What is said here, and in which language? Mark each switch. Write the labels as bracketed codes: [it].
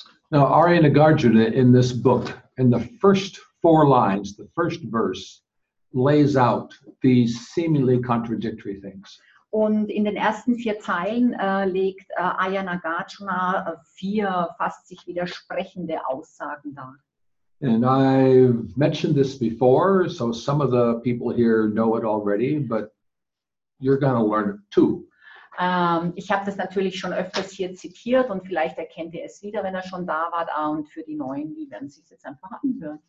[en] Now, Ayana Gajuna in this book, in the first four lines, the first verse, lays out these seemingly contradictory things. [de] Und in den ersten vier Zeilen legt Ayana Gajuna vier fast sich widersprechende Aussagen dar. [en] And I've mentioned this before, so some of the people here know it already, but you're going to learn it too. [de] Ich habe das natürlich schon öfters hier zitiert und vielleicht erkennt ihr es wieder, wenn er schon da war. Und für die Neuen, die werden sich jetzt einfach anhören.